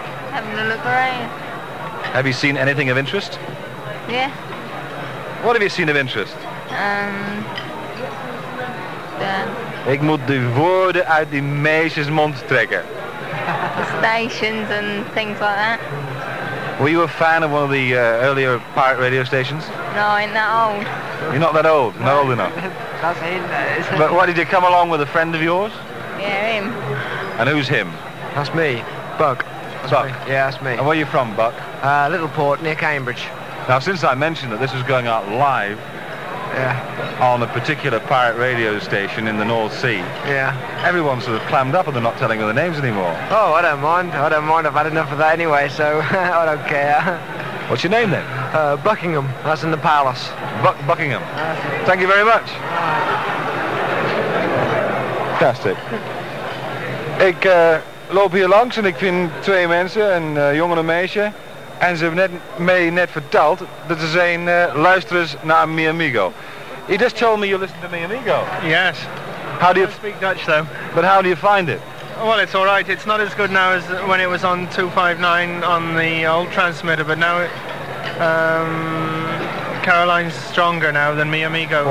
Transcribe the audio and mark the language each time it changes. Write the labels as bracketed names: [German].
[English] Having a look around. Have you seen anything of interest? Yeah. What have you seen of interest? [Dutch] Ik moet de woorden uit die meisjes mond trekken. [English] The stations and things like that. Were you a fan of one of the earlier pirate radio stations? No, I ain't that old. You're not that old? Not old enough? That's him, that is. But what, did you come along with a friend of yours? Yeah, him. And who's him? That's me, Buck. Buck? Yeah, that's me. And where are you from, Buck? Littleport, near Cambridge. Now, since I mentioned that this is going out live, yeah, on a particular pirate radio station in the North Sea. Yeah. Everyone's sort of clammed up and they're not telling me the names anymore. Oh, I don't mind. I don't mind. I've had enough of that anyway, so I don't care. What's your name then? Buckingham. That's in the palace. Buckingham. Thank you very much. Fantastic. [Dutch] Ik loop hier langs en ik vind twee mensen, een jongen en een meisje. En ze hebben net verteld dat ze zijn luisterers naar Mi Amigo. [English] He just told me you listen to Mi Amigo. Yes. How do you speak Dutch though? But how do you find it? Well, it's all right. It's not as good now as when it was on 259 on the old transmitter, but now Caroline's stronger now than Mi Amigo.